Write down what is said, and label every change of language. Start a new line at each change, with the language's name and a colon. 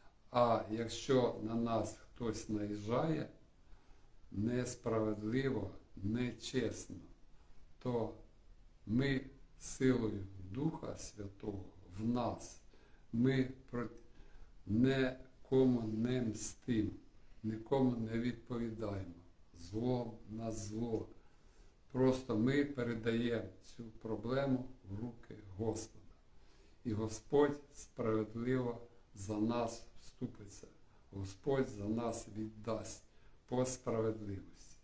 Ukrainian: А якщо на нас хтось наїжджає несправедливо, нечесно, то ми силою Духа Святого в нас, ми нікому не мстим, нікому не відповідаємо. Зло на зло. Просто ми передаємо цю проблему в руки Господа.
Russian: И Господь справедливо за нас вступиться.
Ukrainian: Господь за нас віддасть по справедливості.